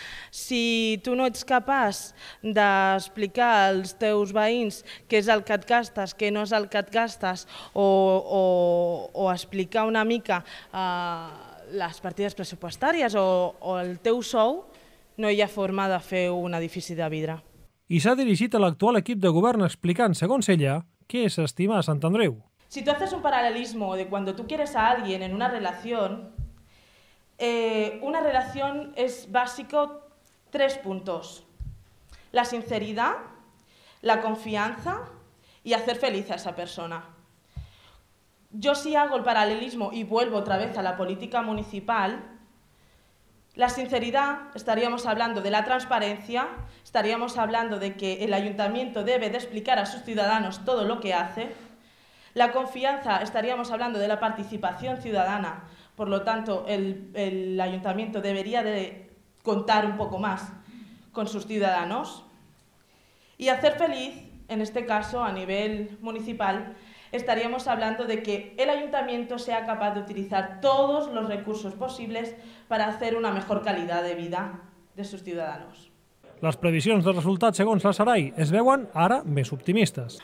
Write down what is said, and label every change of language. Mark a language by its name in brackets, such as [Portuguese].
[Catalan] Si tu no ets capaç d'explicar als teus veïns què és el que et gastes, què no és el que et gastes, o explicar una mica les partides pressupostàries o el teu sou, no hi ha forma de fer un edifici de vidre. I s'ha dirigit a l'actual equip de govern explicant, segons ella, què és estimar a Sant Andreu. [Spanish] Si tu haces un paralelismo de cuando tú quieres a alguien en una relación, una relación es básico 3 puntos: la sinceridad, la confianza y hacer feliz a esa persona. Yo sí hago el paralelismo y vuelvo otra vez a la política municipal. La sinceridad, estaríamos hablando de la transparencia, estaríamos hablando de que el ayuntamiento debe de explicar a sus ciudadanos todo lo que hace. La confianza, estaríamos hablando de la participación ciudadana, por lo tanto el ayuntamiento debería de contar un poco más con sus ciudadanos. Y hacer feliz, en este caso a nivel municipal, estaríamos hablando de que el ayuntamiento sea capaz de utilizar todos los recursos posibles para hacer una mejor calidad de vida de sus ciudadanos. [Catalan] Les previsions de resultats, segons la Sarai, es veuen ara més optimistes.